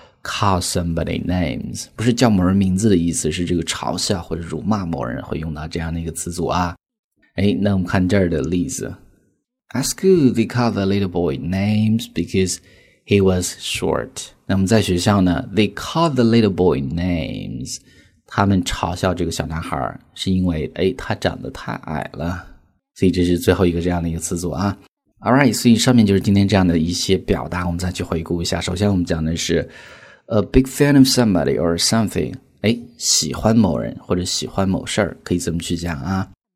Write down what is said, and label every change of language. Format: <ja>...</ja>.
<en>call somebody names</en> <zh>不是叫某人名字的意思，是这个嘲笑或者辱骂某人会用到这样的一个词组啊。</zh> <en>那我们看这儿的例子， At school they called the little boy names because he was short。</en> <zh>那么在学校呢</zh> <en>they called the little boy names，</en> <zh>他们嘲笑这个小男孩是因为哎，他长得太矮了。所以这是最后一个这样的一个词组啊。</zh> <en>Alright,</en> <zh>所以上面就是今天这样的一些表达，我们再去回顾一下。首先我们讲的是</zh> <en>A big fan of somebody or something,</en> <zh>哎，喜欢某人或者喜欢某事儿，可以这么去讲啊。</zh>